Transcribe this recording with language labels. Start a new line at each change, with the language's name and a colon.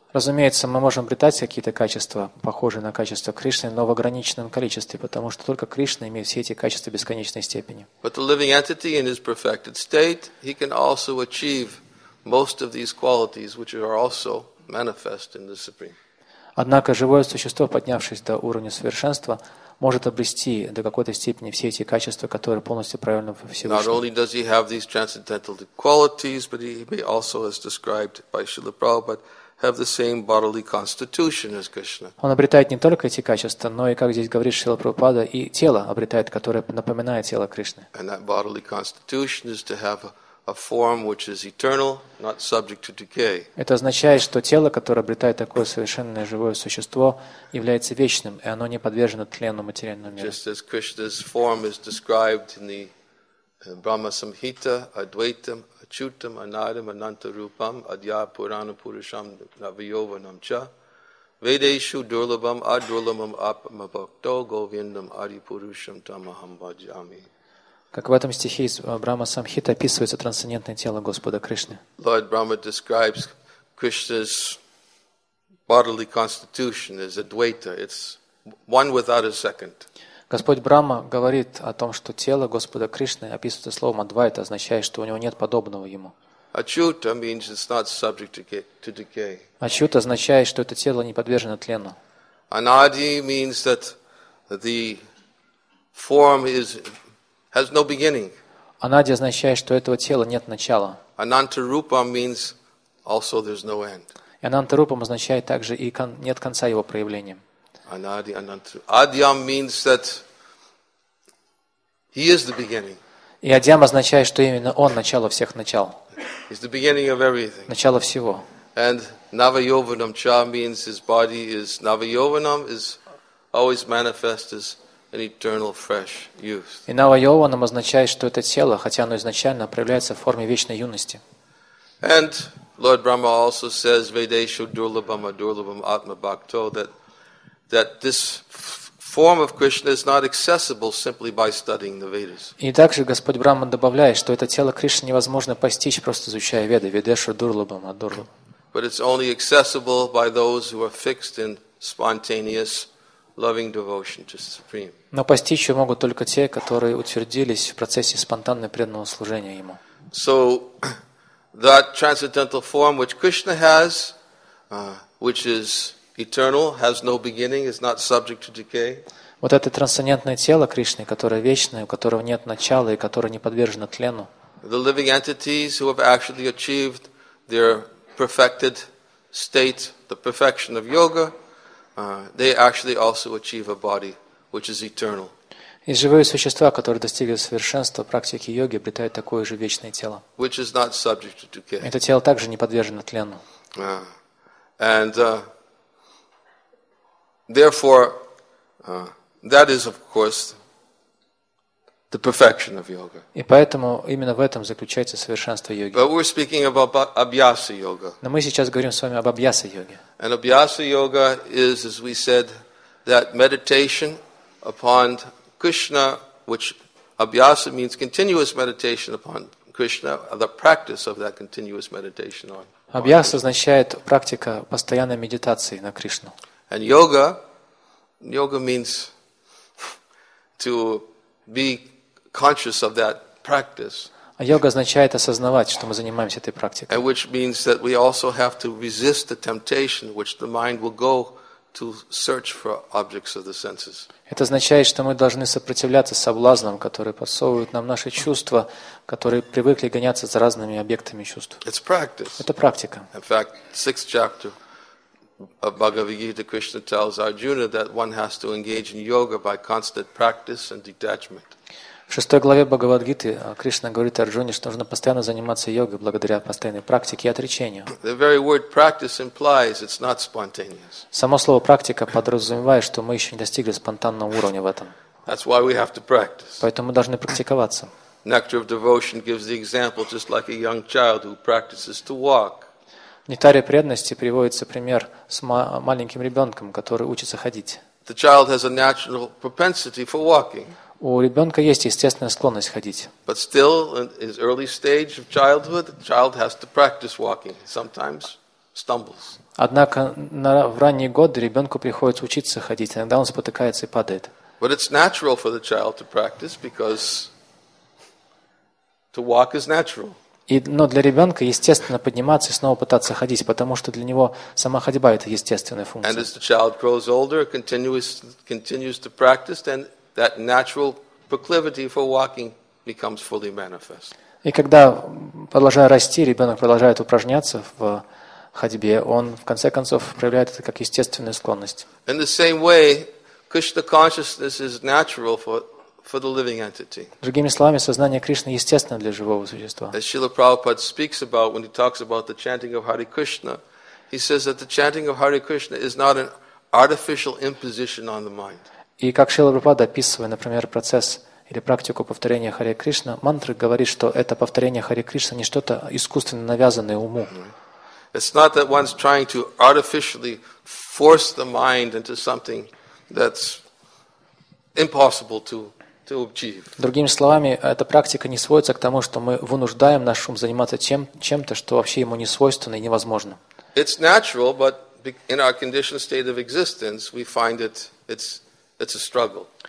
Russian: Разумеется, мы можем обретать какие-то качества, похожие на качества Кришны, но в ограниченном количестве, потому что только Кришна имеет все эти качества бесконечной степени.
English: But the living entity in his perfected state, he can also achieve most of these qualities, which are also manifest in the Supreme.
Russian: Однако живое существо, поднявшись до уровня совершенства, может обрести до какой-то степени все эти качества, которые полностью проявлены во Всевышнем.
English: Not only does he have these transcendental qualities, but he may also, as described by Srila Prabhupada, have the same bodily constitution as Krishna.
Russian: Он обретает не только эти качества, но и, как здесь говорит Шрила Прабхупада, и тело обретает, которое напоминает тело Кришны.
English: And that bodily constitution is to have a form which is eternal, not subject to decay.
Russian: Это означает, что тело, которое обретает такое совершенное живое существо, является вечным, и оно не подвержено тлену материального мира.
English: Just as Krishna's form is described in the Brahma Samhita,
Sanskrit: Advaitam, Achutam, Anadam, Anantarupam, Adya Purana Purusham Navayovanam Cha, Vedeshu Durlabham Adurlabham Apamabhakto Govindam Adipurusham Tamaham Bhajami.
Russian: Как в этом стихе из Брахма Самхиты описывается трансцендентное тело Господа Кришны.
English: Lord Brahma describes Krishna's bodily constitution as Advaita. It's one without a second.
Russian: Господь Брахма говорит о том, что тело Господа Кришны описывается словом Адвайта, означает, что у него нет подобного ему.
English: Achyuta means it's not subject to decay.
Russian: Achyuta означает, что это тело не подвержено тлену.
English: Anadi means that the form is has no beginning.
Russian: Анади означает, что у этого тела нет начала.
English: Anantarupam means also there's no end.
Russian: Anantarupam означает также и нет конца его проявления.
English: Anadi, Anantarupam. Adyam means that he is the beginning.
Russian: И Адьям означает, что именно он начало всех начал.
English: He's the beginning of everything.
Russian: Начало всего.
English: And Navayovanam cha means his body is Navayovanam is always manifest as an eternal fresh youth.
Russian: И Навайованам означает, что это тело, хотя оно изначально проявляется в форме вечной юности.
English: And Lord Brahma also says
Sanskrit: Vedeshu Durlabham Adurlabham Atma Bhakto
English: that this form of Krishna is not accessible simply by studying the Vedas.
Russian: И также Господь Брахма добавляет, что это тело Кришны невозможно постичь просто изучая Веды,
Sanskrit: ведешу дурлабам адурлам.
English: But it's only accessible by those who are fixed in spontaneous loving devotion to the Supreme.
Russian: Но постичь его могут только те, которые утвердились в процессе спонтанного преданного служения ему.
English: So that transcendental form which Krishna has, which is eternal, has no beginning, is not subject to decay.
Russian: Вот это трансцендентное тело Кришны, которое вечное, у которого нет начала и которое не подвержено тлену.
English: The living entities who have actually achieved their perfected state, the perfection of yoga, they actually also achieve a body which is eternal.
Russian: И живые существа, которые достигли совершенства практики йоги, обретают такое же вечное тело.
English: Which is not subject to decay.
Russian: Это тело также не подвержено тлену.
English: Therefore, that is, of course, the perfection of yoga.
Russian: И поэтому именно в этом заключается совершенство йоги.
English: But we're speaking about abhyasa yoga.
Russian: Но мы сейчас говорим с вами об абьяса йоге.
English: And abhyasa yoga is, as we said, that meditation upon Krishna, which abhyasa means continuous meditation upon Krishna, the practice of that continuous meditation on.
Russian: Абьяса означает практика постоянной медитации на Кришну.
English: And yoga, yoga means to be conscious of that practice.
Russian: А йога означает осознавать, что мы занимаемся этой практикой.
English: And which means that we also have to resist the temptation, which the mind will go to search for objects of the senses.
Russian: Это означает, что мы должны сопротивляться соблазнам, которые подсовывают нам наши чувства, которые привыкли гоняться за разными объектами чувств.
English: It's practice.
Russian: Это практика.
English: In fact, sixth chapter of Bhagavad Gita, Krishna tells Arjuna that one has to engage in yoga by constant practice and detachment.
Russian: В шестой главе Бхагавад Гиты Кришна говорит Арджуне, что нужно постоянно заниматься йогой благодаря постоянной практике и отречению.
English: The very word practice implies it's not spontaneous.
Russian: Само слово практика подразумевает, что мы еще не достигли спонтанного уровня в этом.
English: That's why we have to practice.
Russian: Поэтому мы должны практиковаться.
English: Nectar of devotion gives the example just like a young child who practices to walk.
Russian: В нектаре преданности приводится пример с маленьким ребенком, который учится ходить.
English: The child has a natural propensity for walking.
Russian: У ребенка есть естественная склонность ходить.
English: But still, in his early stage of childhood, the child has to practice walking. Sometimes stumbles.
Russian: Однако в ранние годы ребенку приходится учиться ходить. Иногда он спотыкается и падает.
English: But it's natural for the child to practice because to walk is natural.
Russian: Но для ребенка естественно подниматься и снова пытаться ходить, потому что для него сама ходьба – это естественная функция.
English: And as the child grows older, continues to practice, then that natural proclivity for walking becomes fully manifest.
Russian: И когда, продолжая расти, ребенок продолжает упражняться в ходьбе, он в конце концов проявляет это как естественную склонность.
English: In the same way, Krishna consciousness is natural for the living entity.
Russian: Другими словами, сознание Кришны естественно для живого существа.
English: As Srila Prabhupada speaks about when he talks about the chanting of Hare Krishna, he says that the chanting of Hare Krishna is not an artificial imposition on the mind.
Russian: И как Шрила Прабхупада описывает, например, процесс или практику повторения Харе Кришна, мантры говорит, что это повторение Харе Кришна не что-то искусственно навязанное уму.
English: It's not that one's trying to artificially force the mind into something that's impossible to achieve.
Russian: Другими словами, эта практика не сводится к тому, что мы вынуждаем наш ум заниматься чем-то, что вообще ему не свойственно и невозможно.
English: It's natural, but in our conditioned state of existence, we find it's a struggle.